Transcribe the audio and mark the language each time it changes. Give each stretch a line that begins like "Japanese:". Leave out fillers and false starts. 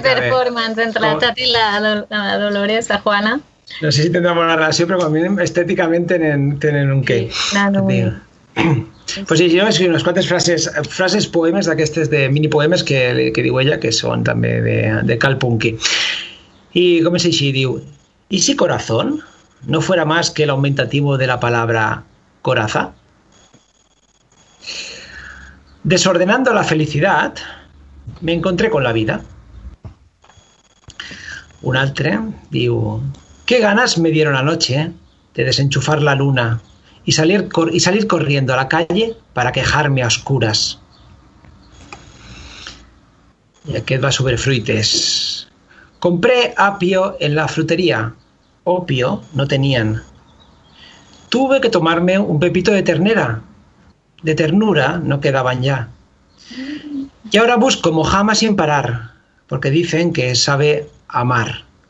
Catalan: bé. Una performance entre la Tati i la Dolores, la Juana. No sé si tindrà bona relació, però com a mínim estèticament tenen un què.
Spanish: Pues sí,
Catalan: jo he escrit unes quantes frases poemes, d'aquestes de mini poemes que diu ella, que són també de Cal Punky. I com és així?
Spanish: Diu: ¿y si corazón no fuera más que el aumentativo de la palabra coraza? Desordenando la felicidad, me encontré con la vida.
Catalan: Un altre diu:
Spanish: ¿qué ganas me dieron anoche de desenchufar la luna y salir corriendo a la calle para quejarme a oscuras?
Catalan: Y aquest va sobre fruites.
Spanish: Compré apio en la frutería. Opio no tenían. Tuve que tomarme un pepito de ternera. De ternura no quedaban ya. Y ahora busco mojama sin parar, porque dicen que sabe amar.